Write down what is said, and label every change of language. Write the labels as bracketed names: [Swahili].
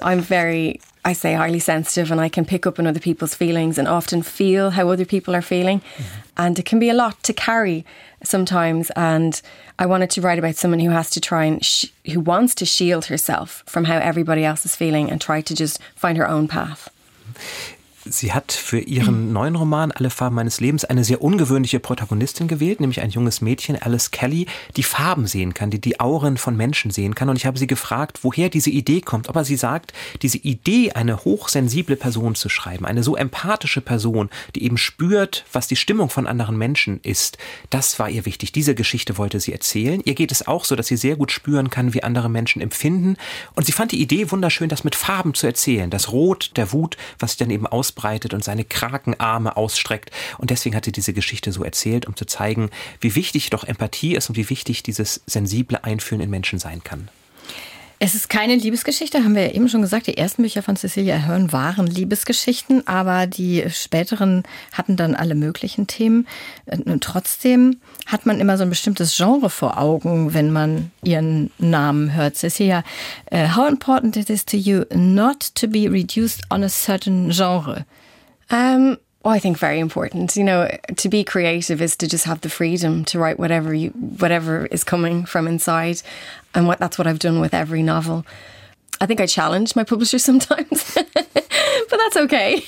[English] I'm very, I say, highly sensitive, and I can pick up on other people's feelings and often feel how other people are feeling. Mm-hmm. And it can be a lot to carry sometimes. And I wanted to write about someone who has to try and who wants to shield herself from how everybody else is feeling and try to just find her own path. [German] Sie hat für ihren neuen Roman Alle Farben meines Lebens eine sehr ungewöhnliche Protagonistin gewählt, nämlich ein junges Mädchen, Alice Kelly, die Farben sehen kann, die Auren von Menschen sehen kann. Und ich habe sie gefragt, woher diese Idee kommt. Aber sie sagt, diese Idee, eine hochsensible Person zu schreiben, eine so empathische Person, die eben spürt, was die Stimmung von anderen Menschen ist, das war ihr wichtig. Diese Geschichte wollte sie erzählen. Ihr geht es auch so, dass sie sehr gut spüren kann, wie andere Menschen empfinden. Und sie fand die Idee wunderschön, das mit Farben zu erzählen. Das Rot der Wut, was sie dann eben ausbreitet und seine Krakenarme ausstreckt. Und deswegen hat sie diese Geschichte so erzählt, um zu zeigen, wie wichtig doch Empathie ist und wie wichtig dieses sensible Einfühlen in Menschen sein kann. Es ist keine Liebesgeschichte, haben wir ja eben schon gesagt. Die ersten Bücher von Cecilia Ahern waren Liebesgeschichten, aber die späteren hatten dann alle möglichen Themen. Und trotzdem hat man immer so ein bestimmtes Genre vor Augen, wenn man ihren Namen hört. [English] Cecilia, how important it is to you not to be reduced on a certain genre? Well, I think very important. You know, to be creative is to just have the freedom to write whatever is coming from inside. And that's what I've done with every novel. I think I challenge my publisher sometimes, but that's okay.